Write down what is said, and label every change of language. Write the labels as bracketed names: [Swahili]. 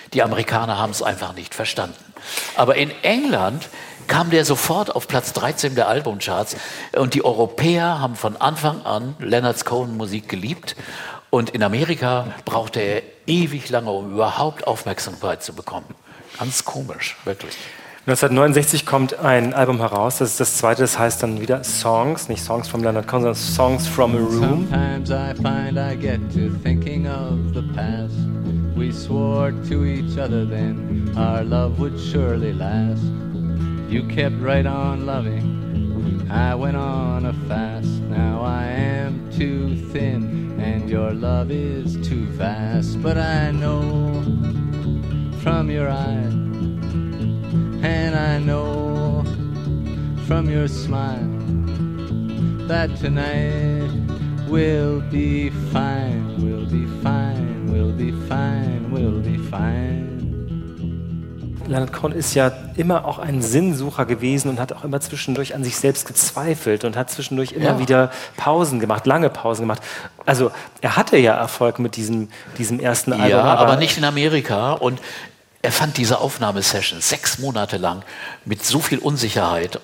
[German] Die Amerikaner haben es einfach nicht verstanden. Aber in England kam der sofort auf Platz 13 der Albumcharts und die Europäer haben von Anfang an Leonard Cohen Musik geliebt und in Amerika brauchte er ewig lange, um überhaupt Aufmerksamkeit zu bekommen. Ganz komisch, wirklich. 1969 kommt ein Album heraus, das ist das zweite, das heißt dann wieder Songs, nicht Songs from Leonard Cohen, sondern Songs from a Room. [English] Sometimes I find I get to thinking of the past. We swore to each other then our love would surely last. You kept right on loving, I went on a fast. Now I am too thin and your love is too vast. But I know from your eye, and I know from your smile that tonight we'll be fine, we'll be fine, we'll be fine, we'll be fine. [German] Leonard Cohen ist ja immer auch ein Sinnsucher gewesen und hat auch immer zwischendurch an sich selbst gezweifelt und hat zwischendurch immer wieder Pausen gemacht, lange Pausen gemacht. Also er hatte ja Erfolg mit diesem ersten Album. Ja, aber nicht in Amerika. Und er fand diese Aufnahmesession 6 Monate lang mit so viel Unsicherheit.